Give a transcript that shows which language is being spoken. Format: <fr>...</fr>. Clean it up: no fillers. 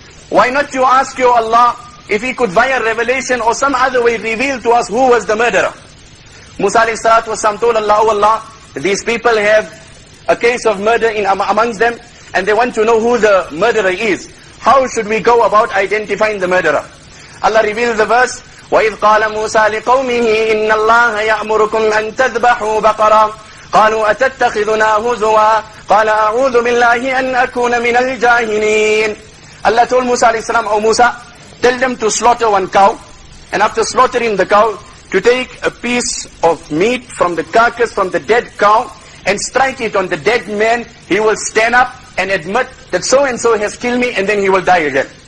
<en>Why not you ask your Allah if he could via revelation or some other way reveal to us who was the murderer? Musa alayhi salatu wasalam told Allah, oh Allah, these people have a case of murder in amongst them and they want to know who the murderer is. How should we go about identifying the murderer?</en> <ar>Allah revealed the verse, وَإِذْ قَالَ مُوسَى لِقَوْمِهِ إِنَّ اللَّهَ يَأْمُرُكُمْ أَن تَذْبَحُوا بَقَرًا قَالُوا أَتَتَّخِذُنَا هُزُوًا قَالَ أَعُوذُ بِاللَّهِ أَنْ أَكُونَ مِنَ الْجَاهِلِينَ.</ar> <en>Allah told Musa alayhi salam, oh Musa, tell them to slaughter one cow, and after slaughtering the cow, to take a piece of meat from the carcass, from the dead cow, and strike it on the dead man, he will stand up and admit that so and so has killed me, and then he will die again.</en>